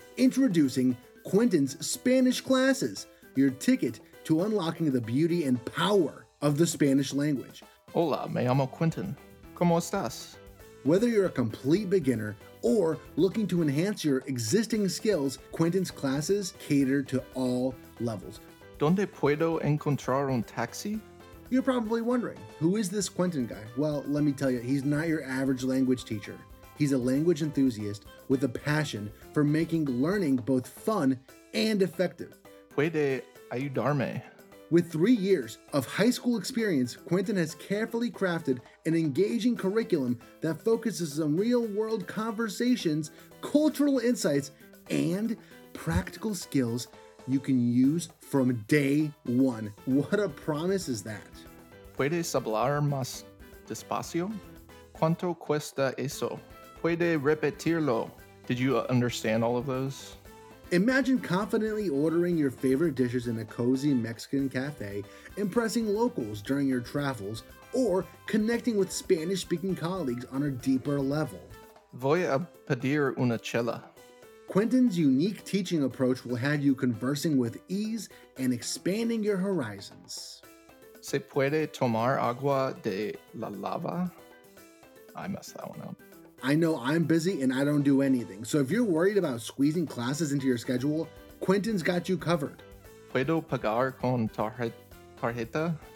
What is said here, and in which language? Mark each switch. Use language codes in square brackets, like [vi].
[en] Introducing Quentin's Spanish Classes, your ticket to unlocking the beauty and power of the Spanish language. [es] Hola, me llamo Quentin. ¿Cómo estás? [en] Whether you're a complete beginner or looking to enhance your existing skills, Quentin's classes cater to all levels. [es] ¿Dónde puedo encontrar un taxi? [en] You're probably wondering, who is this Quentin guy? Well, let me tell you, he's not your average language teacher. He's a language enthusiast with a passion for making learning both fun and effective. [es] ¿Puede ayudarme? [en] With 3 years of high school experience, Quentin has carefully crafted an engaging curriculum that focuses on real-world conversations, cultural insights, and practical skills you can use from day one. What a promise is that? [es] ¿Puedes hablar más despacio? ¿Cuánto cuesta eso? ¿Puede repetirlo? [en] Did you understand all of those? Imagine confidently ordering your favorite dishes in a cozy Mexican cafe, impressing locals during your travels, or connecting with Spanish-speaking colleagues on a deeper level. [es] Voy a pedir una chela. [en] Quentin's unique teaching approach will have you conversing with ease and expanding your horizons. [es] ¿Se puede tomar agua de la lava? [en] I messed that one up. I know I'm busy and I don't do anything. So if you're worried about squeezing classes into your schedule, Quentin's got you covered. [es] ¿Puedo pagar con tarjeta?